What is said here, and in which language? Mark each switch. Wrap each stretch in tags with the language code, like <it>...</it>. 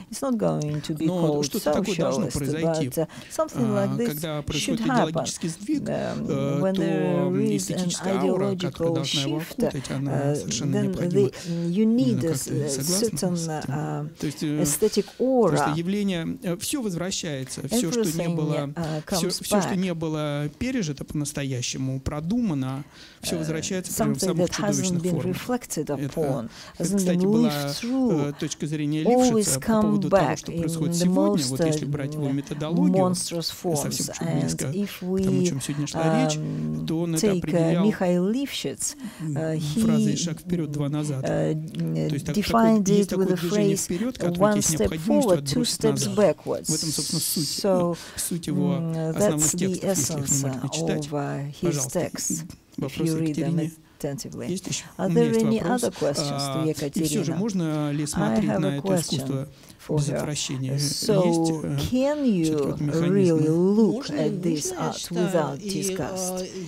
<en>It's not going to be called socialist, but something like this should happen. When there is an ideological shift, then you need a certain aesthetic aura.</en> <ru>Все возвращается, все, что не было, все, что не было пережито по-настоящему, продумано, все возвращается прямо в самых чудовищных формах. Это, кстати, была точка зрения Лифшица по поводу того, что происходит сегодня, вот если брать его методологию, совсем чуть близко к тому, о чем сегодня шла речь, то он это определял фразой «шаг вперед, два назад». То есть такой, есть такое движение вперед, которое есть необходимостью отбросить назад.</ru> <en>Backwards. So that's the essence of his text, if you read them attentively. Are there any other questions to Ekaterina? I have a question for her. So can you really look at this art without disgust?</en>